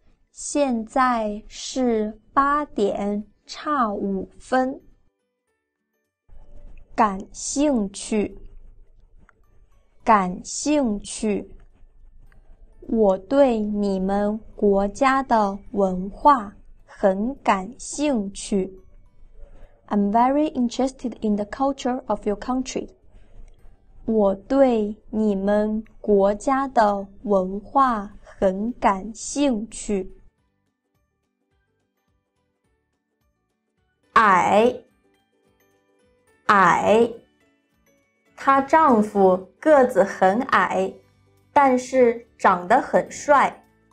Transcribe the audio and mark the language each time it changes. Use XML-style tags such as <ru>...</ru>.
<zh>现在是八点差五分。感兴趣，感兴趣。我对你们国家的文化很感兴趣。</zh> <en>I'm very interested in the culture of your country.</en> <zh>我对你们国家的文化很感兴趣。矮，矮。她丈夫个子很矮，但是长得很帅。</zh>